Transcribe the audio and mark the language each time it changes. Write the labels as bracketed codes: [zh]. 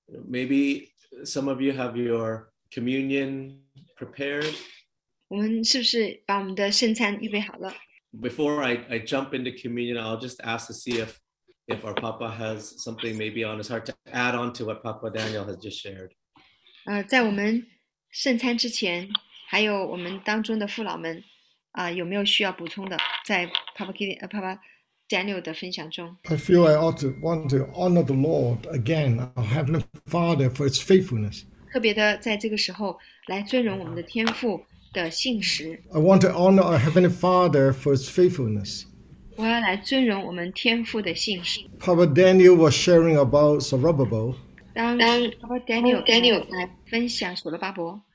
[en] Maybe some of you have your communion. Prepared. [zh] 我们是不是把我们的圣餐预备好了？ [en] Before I jump into communion, I'll just ask to see if our Papa has something maybe on his heart to add on to what Papa Daniel has just shared. [zh] 在我们圣餐之前，还有我们当中的父老们，有没有需要补充的？在 Papa Daniel 的分享中。 [en] I feel I ought to want to honor the Lord again, our Heavenly Father, for His faithfulness. [zh] 特别的在这个时候来尊荣我们的天父的信实。 [en] I want to honor our Heavenly Father for his faithfulness. [zh] 我要来尊荣我们天父的信实。 [en] Papa Daniel was sharing about Zerubbabel. [zh] 当 Papa Daniel 来分享所罗巴伯。